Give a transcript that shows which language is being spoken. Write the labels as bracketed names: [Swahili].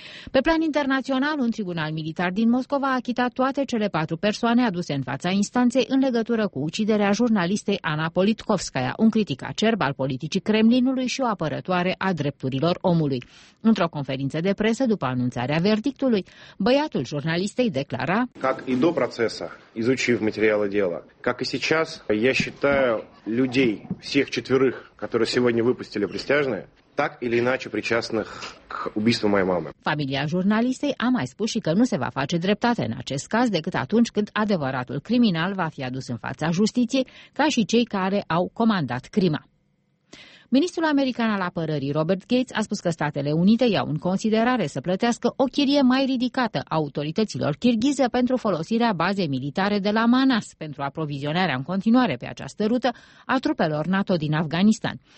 [Romanian] Pe plan internațional, un tribunal militar din Moscova a achitat toate cele 4 persoane aduse în fața instanței în legătură cu uciderea jurnalistei Anna Politkovskaya, un critic acerb al politicii Kremlinului și o apărătoare a drepturilor omului. Într-o conferință de presă după anunțarea verdictului, băiatul jurnalistei declara: [Russian] как и до процесса, изучив материалы дела, как и сейчас, я считаю людей всех четверых, которые сегодня выпустили присяжные, так или иначе причастных к убийству моей мамы. [Romanian] Familia jurnalistei a mai spus și că nu se va face dreptate în acest caz decât atunci când adevăratul criminal va fi adus în fața justiției, ca și cei care au comandat crima. Ministrul american al apărării Robert Gates a spus că Statele Unite iau în considerare să plătească o chirie mai ridicată a autorităților kirghize pentru folosirea bazei militare de la Manas pentru aprovizionarea în continuare pe această rută a trupelor NATO din Afganistan.